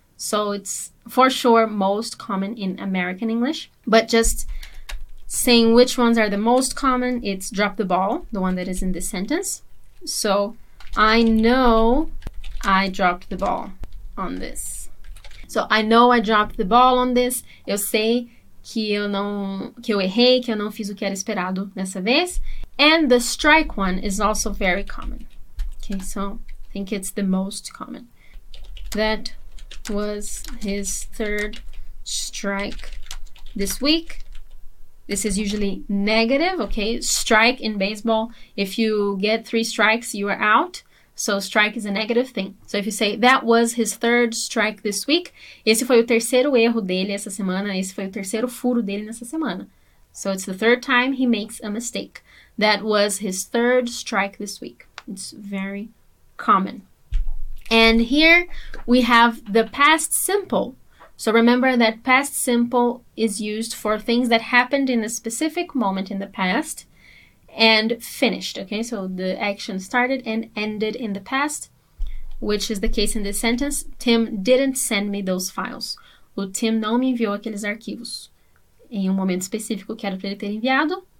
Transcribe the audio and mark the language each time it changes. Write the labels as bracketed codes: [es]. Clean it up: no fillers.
[en] So it's for sure most common in American English. But just saying which ones are the most common, it's drop the ball, the one that is in this sentence. So, I know I dropped the ball on this. So, I know I dropped the ball on this. [pt] Eu sei que eu errei, que eu não fiz o que era esperado dessa vez. [en] And the strike one is also very common. Okay, so I think it's the most common. That was his third strike this week. This is usually negative, okay? Strike in baseball, if you get three strikes, you are out. So, strike is a negative thing. So, if you say, that was his third strike this week, [pt] esse foi o terceiro erro dele essa semana, esse foi o terceiro furo dele nessa semana. [en] So, it's the third time he makes a mistake. That was his third strike this week. It's very common. And here, we have the past simple. So, remember that past simple is used for things that happened in a specific moment in the past and finished, okay? So, the action started and ended in the past, which is the case in this sentence. Tim didn't send me those files. [pt] O Tim não me enviou aqueles arquivos em um momento específico que era para ele ter enviado.